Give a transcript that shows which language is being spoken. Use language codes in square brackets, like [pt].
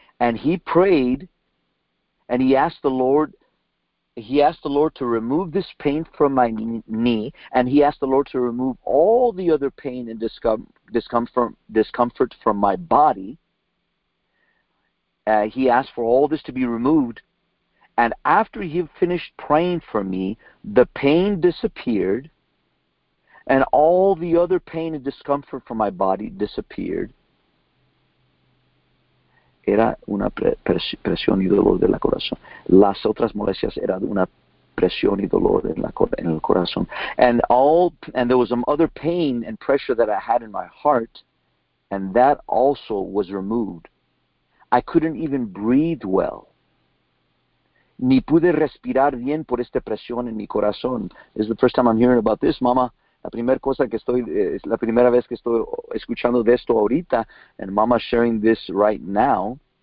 [en] And he prayed and he asked the Lord to remove this pain from my knee, and he asked the Lord to remove all the other pain and discomfort from my body. He asked for all this to be removed, and after he finished praying for me, the pain disappeared, and all the other pain and discomfort from my body disappeared. [es] Era una presión y dolor de la corazón. Las otras molestias eran una presión y dolor en el corazón. [en] And there was some other pain and pressure that I had in my heart, and that also was removed. I couldn't even breathe well. [es] Ni pude respirar bien por esta presión en mi corazón. [en] This is the first time I'm hearing about this, mama. [es] La primera vez que estoy escuchando de esto ahorita, [en] and mama sharing this right now.